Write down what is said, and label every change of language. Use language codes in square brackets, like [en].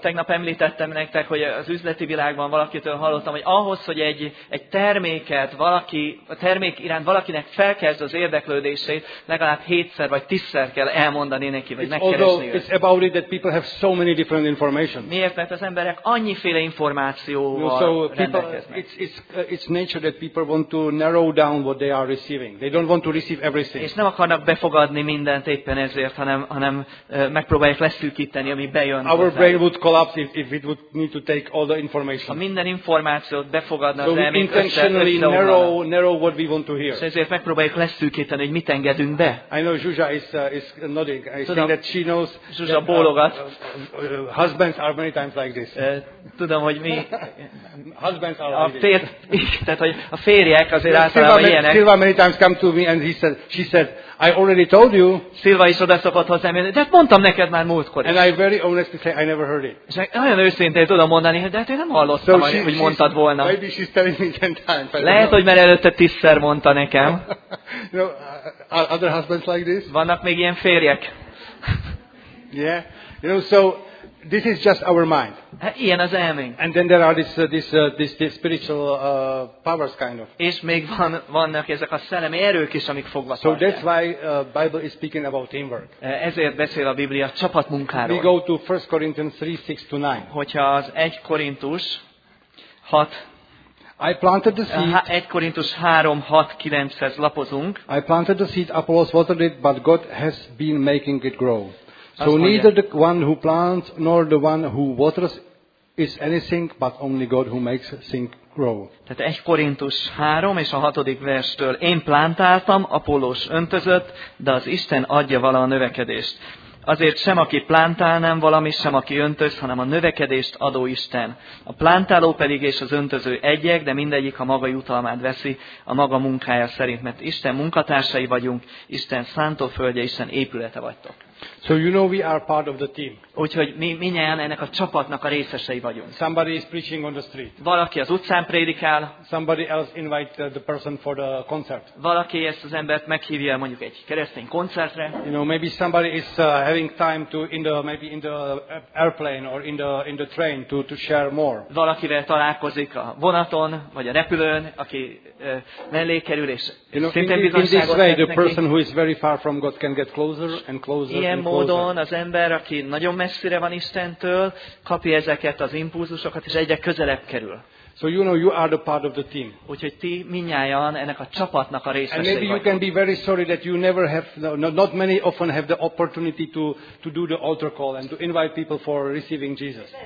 [hu] Tegnap említettem nektek, hogy az üzleti világban valakitől hallottam, hogy ahhoz, hogy egy terméket valaki, a termék iránt valakinek felkezd az érdeklődését, legalább 7-szer vagy 10-szer kell elmondani neki, vagy megkeresni őt. [en] It's about it that people have so many different information. [hu] Miért? Mert az emberek annyiféle információval rendelkeznek. [en] It's nature that people want to narrow down what they are receiving. They don't want to receive everything. [hu] És nem akarnak befogadni mindent éppen ezért, hanem megpróbálják leszűkíteni, ami bejön. [en] Our brain would collapse if it would need to take all the information. [hu] Ha minden információt befogadna, de mi [en] intentionally narrow what we want to hear. [hu] Ezért megpróbáljuk leszűkíteni, hogy mit engedünk be. [en] I know Zsuzsa is nodding. I think that she knows. [hu] Zsuzsa bólogat. [en] Husbands are many times like this. [hu] Tudom, hogy mi [en] husbands are [hu] a férj, tehát hogy a férjek azért általában ilyenek. [en] Silva many times come to me and she said, I already told you. [hu] Silva is oda szokott hozzám, de mondtam neked már múltkor is. [en] And I very honestly say I never heard it. [hu] És nagyon őszintén tudom mondani, de hát én nem hallottam, [en] so [hu] hogy mondtad volna. [en] Maybe she's telling me 10 times. [hu] Lehet, hogy már előtte 10-szer mondta nekem. [en] You know, are other husbands like this? [hu] Vannak még ilyen férjek? [en] Yeah, you know, so this is just our mind. [hu] Ilyen az elménk. [en] And then there are these spiritual powers kind of. [hu] És még vannak ezek a szellemi erők is, amik fogva tartják. [en] So that's why Bible is speaking about teamwork. [hu] Ezért beszél a Biblia csapatmunkáról. [en] We go to 1 Corinthians 3:6-9. [hu] Hogyha az 1 Korintus 6. [en] I planted the seed. [hu] 1 Korintus 3:6-9-hez lapozunk. [en] I planted the seed, Apollos watered it, but God has been making it grow. So neither the one who plants nor the one who waters is anything but only God who makes things grow. [hu] Tehát 1 Korintus 3 és a 6. verstől én plantáltam, Apollós öntözött, de az Isten adja vala a növekedést. Azért sem aki plantál nem valami, sem aki öntöz, hanem a növekedést adó Isten. A plantáló pedig és az öntöző egyek, de mindegyik a maga jutalmát veszi a maga munkája szerint, mert Isten munkatársai vagyunk, Isten szántóföldje, Isten épülete vagytok. [en] So you know we are part of the team. [hu] Úgyhogy mi minnyáján ennek a csapatnak a részesei vagyunk. [en] Somebody is preaching on the street. [hu] Valaki az utcán prédikál. [en] Somebody else invites the person for the concert. [hu] Valaki ezt az embert meghívja mondjuk egy keresztény koncertre. [en] You know, maybe somebody is having time to in the airplane or in the train to share more. [hu] Valakivel találkozik a vonaton vagy a repülőn, aki mellé kerül és szintén biztonságot tesz neki. [en] The person who is very far from God can get closer and closer. [hu] Ilyen módon az ember, aki nagyon messzire van Istentől, kapja ezeket az impulzusokat, és egyre közelebb kerül. [en] So you know you are the part of the team. [hu] Úgyhogy ti minnyájan ennek a csapatnak a részesei vagytok. [en] And maybe you can be very sorry that you never have not many often have the opportunity to do the altar call and to invite people for receiving Jesus.